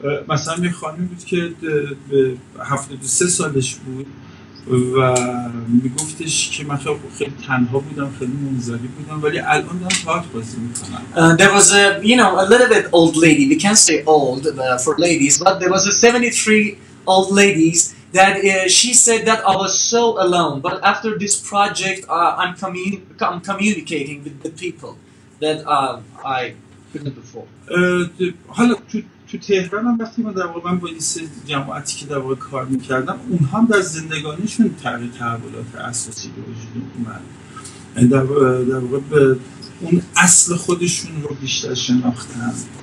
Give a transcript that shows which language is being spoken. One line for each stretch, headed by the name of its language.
Persian: مثلا یه خانمی بود که 73 سالش بود و میگفتش که من خیلی تنها بودم، خیلی منزوی بودم، ولی الان دارم تئاتر بازی میکنم.
English: There was a, you know, a little bit old lady. We can't say old for ladies, but there was a 73 old ladies. That she said that I was so alone, but after this project, I'm communicating with the people that I couldn't before.
Persian: حالا تو تهران هم وقتی من در واقع با این سه جماعتی که در واقع کار میکردم، اونها هم در زندگانیشون تحولات اساسی به وجود اومد. در واقع به اون اصل خودشون رو بیشتر شناختن.